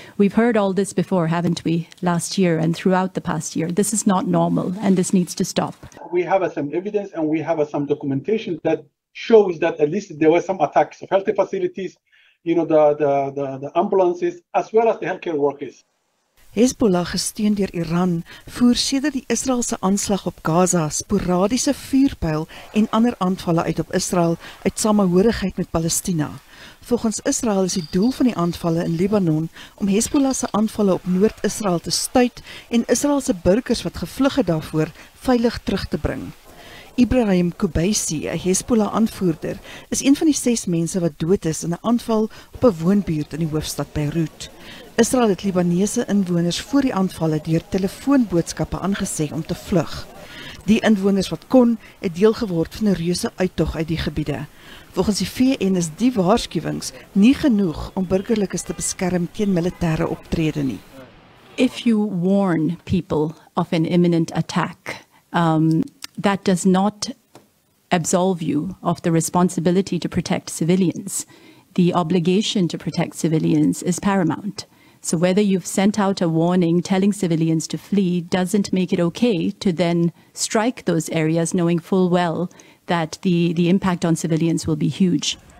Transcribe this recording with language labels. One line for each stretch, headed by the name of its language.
English: We've heard all this before, haven't we, last year and throughout the past year. This is not normal and this needs to stop. We have some evidence and we have some documentation that shows that at least there were some attacks of health facilities, you know, the ambulances, as well as the healthcare workers.
Afrikaans: Hezbollah, gesteun deur Iran, voer sedert die Israëlse aanslag op Gaza sporadiese vuurpyl en ander aanvalle uit op Israël uit samehorigheid met Palestina. Volgens Israël is die doel van die aanvalle in Libanon om Hezbollah se aanvalle op Noord-Israël te stuit en Israëlse burgers wat gevlug het daarvoor veilig terug te bring. Ibrahim Kubaisi, 'n Hezbollah-aanvoerder, is een van die 6 mense wat dood is in 'n aanval op 'n woonbuurt in die hoofstad Beirut. Israel het Libanese inwoners voor die aanvalle deur telefoonboodskappe aangesê om te vlug. Die inwoners wat kon, het deel geword van 'n reuse uittog uit die gebiede. Volgens die VN is die waarskuwings nie genoeg om burgerlikes te beskerm teen militêre optrede nie.
English: If you warn people of an imminent attack, that does not absolve you of the responsibility to protect civilians. The obligation to protect civilians is paramount. So whether you've sent out a warning telling civilians to flee doesn't make it okay to then strike those areas knowing full well that the impact on civilians will be huge.